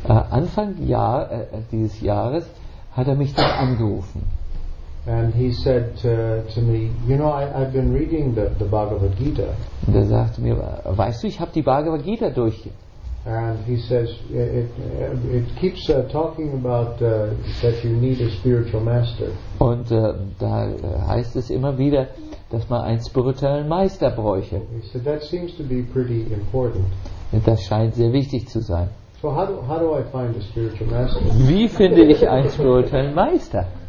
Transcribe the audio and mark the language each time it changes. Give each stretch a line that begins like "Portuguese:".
German: Anfang dieses Jahres hat er mich dann angerufen.
English: And he said to me, you know, I've been reading the Bhagavad Gita.
German: Und er sagte mir, weißt du, ich habe die Bhagavad Gita durch.
English: And he says it keeps talking about that you need a spiritual master.
German: Und da heißt es immer wieder, dass man einen spirituellen Meister bräuchte.
English: So that seems to be pretty important.
German: Und das scheint sehr wichtig zu sein.
English: So how do I find a spiritual master?
German: Wie finde ich einen spirituellen Meister?